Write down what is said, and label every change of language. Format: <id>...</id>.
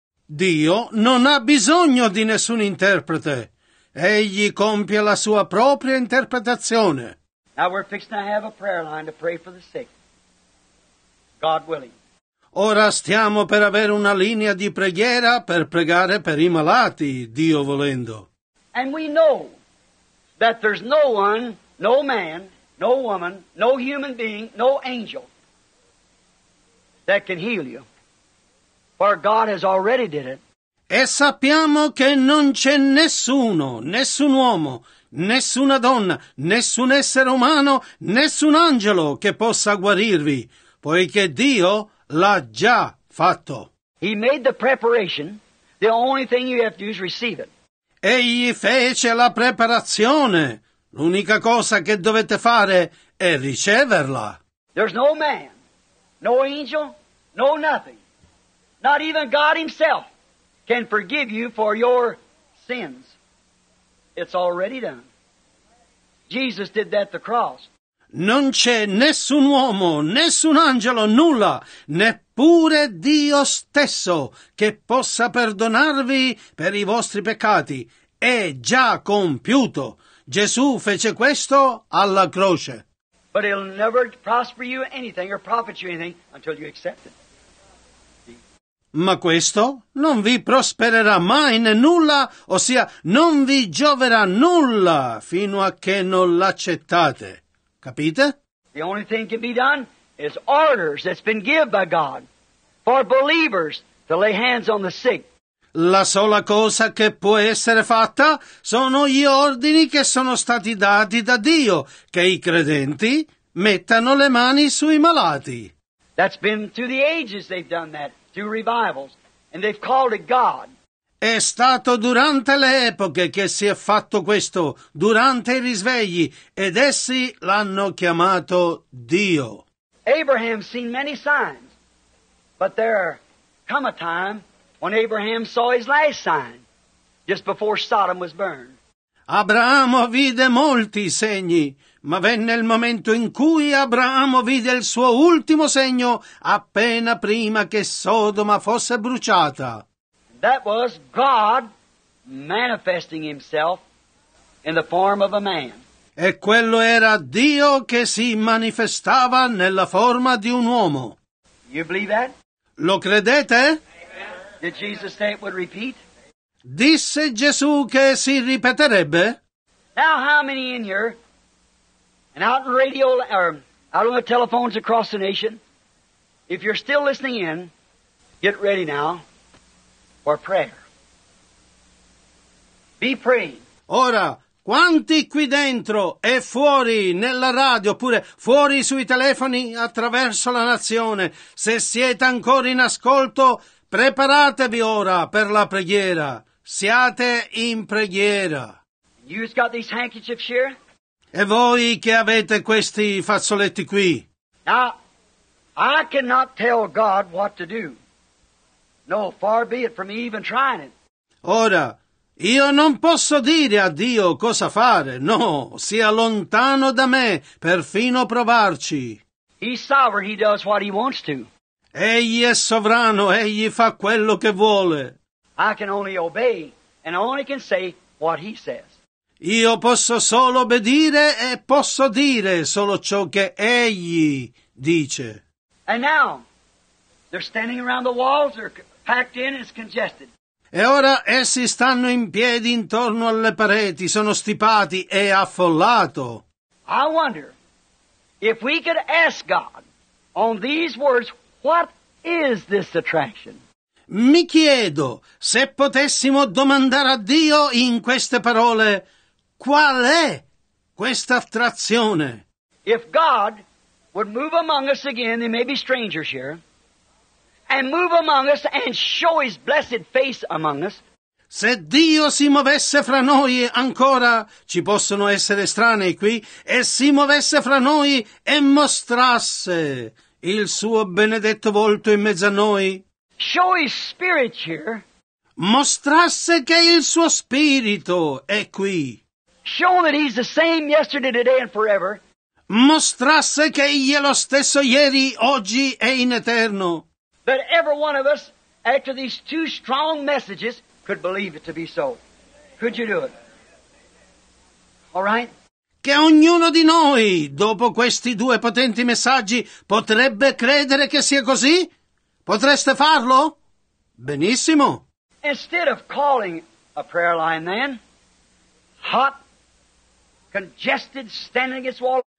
<it>Dio non ha bisogno di nessun interprete. Egli compie la sua propria interpretazione.</it> <en>Now we're fixing to have a prayer line to pray for the sick. God willing.</en> <it>Ora stiamo per avere una linea di preghiera per pregare per i malati, Dio volendo.</it> <en>And we know that there's no one, no man, no woman, no human being, no angel that can heal you. For God has already did it.</en> <it>E sappiamo che non c'è nessuno, nessun uomo, nessuna donna, nessun essere umano, nessun angelo che possa guarirvi, poiché Dio l'ha già fatto.</it> <en>He made the preparation. The only thing you have to do is receive it.</en> <it>Egli fece la preparazione. L'unica cosa che dovete fare è riceverla.</it> <en>There's no man, no angel, no nothing. Not even God himself can forgive you for your sins. It's already done. Jesus did that at the cross.</en> <it>Non c'è nessun uomo, nessun angelo, nulla, neppure Dio stesso che possa perdonarvi per i vostri peccati. È già compiuto. Gesù fece questo alla croce.</it> <en>But it'll never prosper you anything or profit you anything until you accept it.</en> <it>Ma questo non vi prospererà mai né nulla, ossia non vi gioverà nulla fino a che non l'accettate. Capite?</it> <en>The only thing can be done is orders that's been given by God for believers to lay hands on the sick.</en> <it>La sola cosa che può essere fatta sono gli ordini che sono stati dati da Dio, che i credenti mettano le mani sui malati.</it> <en>That's been through the ages they've done that. Through revivals, and they've called it God.</en> <it>È stato durante le epoche che si è fatto questo, durante i risvegli, ed essi l'hanno chiamato Dio.</it> <en>Abraham's seen many signs, but there come a time when Abraham saw his last sign, just before Sodom was burned.</en> <it>Abramo vide molti segni, ma venne il momento in cui Abramo vide il suo ultimo segno appena prima che Sodoma fosse bruciata.</it> <en>That was God manifesting himself in the form of a man.</en> <it>E quello era Dio che si manifestava nella forma di un uomo.</it> <en>You believe that?</en> <it>Lo credete?</it> <en>Did Jesus say it would repeat?</en> <it>Disse Gesù che si ripeterebbe.</it> <en>Now how many in here and out in radio or out on the telephones across the nation, if you're still listening in, get ready now for prayer. Be praying.</en> <it>Ora, quanti qui dentro e fuori nella radio oppure fuori sui telefoni attraverso la nazione, se siete ancora in ascolto, preparatevi ora per la preghiera. Siate in preghiera.</it> <en>You've got these handkerchiefs here?</en> <it>E voi che avete questi fazzoletti qui?</it> <en>Now, I cannot tell God what to do. No, far be it from me even trying it.</en> <it>Ora, io non posso dire a Dio cosa fare. No, sia lontano da me perfino provarci.</it> <en>He's sovereign, he does what he wants to.</en> <it>Egli è sovrano, egli fa quello che vuole.</it> <en>I can only obey, and I only can say what he says.</en> <it>Io posso solo obbedire e posso dire solo ciò che egli dice.</it> <en>And now, they're standing around the walls, they're packed in, it's congested.</en> <it>E ora essi stanno in piedi intorno alle pareti, sono stipati e affollato.</it> <en>I wonder if we could ask God on these words, what is this attraction?</en> <it>Mi chiedo se potessimo domandare a Dio in queste parole qual è questa attrazione.</it> <en>If God would move among us again, there may be strangers here, and move among us and show his blessed face among us.</en> <it>Se Dio si muovesse fra noi ancora, ci possono essere estranei qui, e si muovesse fra noi e mostrasse il suo benedetto volto in mezzo a noi.</it> <en>Show his spirit here.</en> <it>Mostrasse che il suo spirito è qui.</it> <en>Show that he's the same yesterday, today and forever.</en> <it>Mostrasse che egli è lo stesso ieri, oggi e in eterno.</it> <en>That every one of us, after these two strong messages, could believe it to be so. Could you do it? All right?</en> <it>Che ognuno di noi, dopo questi due potenti messaggi, potrebbe credere che sia così? Potreste farlo? Benissimo.</it> <en>Instead of calling a prayer line then, hot, congested, standing against wall.</en>